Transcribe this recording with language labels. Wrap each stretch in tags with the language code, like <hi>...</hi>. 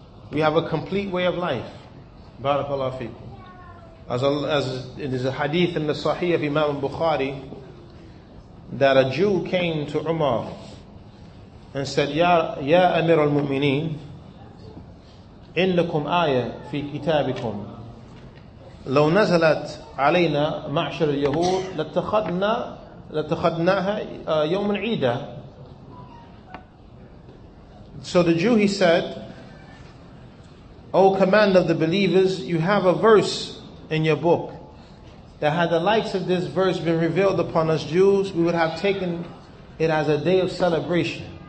<en>We have a complete way of life. Barakallahu fiqh. As it is a hadith in the Sahih of Imam Bukhari, that a Jew came to Umar and said, Ya Amir al-Mu'mineen,</en> <ar>in lakum ayah fi kitabikum. لو نزلت علينا معشر اليهود لاتخذناها يوم عيدة.</ar> <en>So the Jew, he said, O command of the believers, you have a verse in your book that had the likes of this verse been revealed upon us Jews, we would have taken it as a day of celebration.</en>